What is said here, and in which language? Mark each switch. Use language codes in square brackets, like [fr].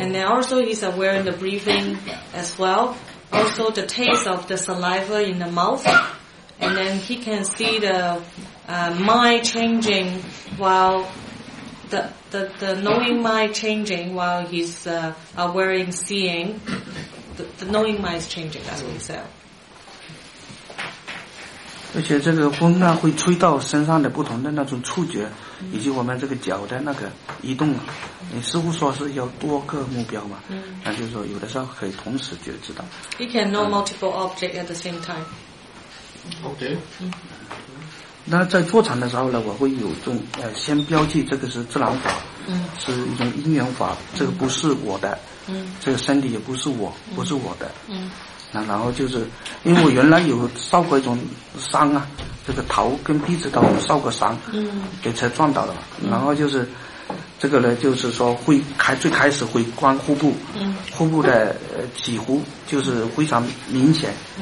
[en] And then also he's aware in the breathing as well. Also the taste of the saliva in the mouth, and then he can see the mind changing while the knowing mind changing while he's aware in seeing, the knowing mind is changing, that's what he said. [zh] 而且这个风呢会吹到身上的不同的那种触觉以及我们这个脚的那个移动，你似乎说是有多个目标嘛，那就是说有的时候可以同时觉知到。 [en] You can know multiple objects at the same time. Okay. [zh] 那在坐禅的时候呢，我会有种先标记这个是自然法，是一种因缘法，这个不是我的，这个身体也不是我，不是我的。那然后就是因为我原来有受过一种伤啊，这个头跟鼻子都受过伤，给车撞到了，然后就是这个呢就是说会开最开始会观腹部，腹部的几乎就是非常明显，